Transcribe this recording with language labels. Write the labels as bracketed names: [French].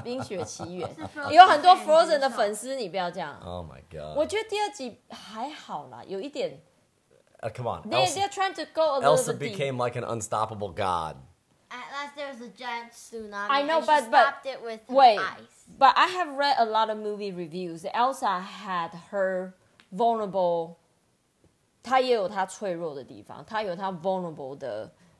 [Chinese] 冰雪奇缘有很多 Frozen 的粉丝，你不要这样。 [English] Oh my god！ [Chinese] 我觉得第二集还好啦，有一点。 [English] Come on！ They're trying to go a little bit. Elsa became like an unstoppable god. At last, there was a giant tsunami. I know, but stopped it with wait, ice. But I have read a lot of movie reviews. Elsa had her vulnerable. [Chinese] 她也有她脆弱的地方，她有她 vulnerable 的。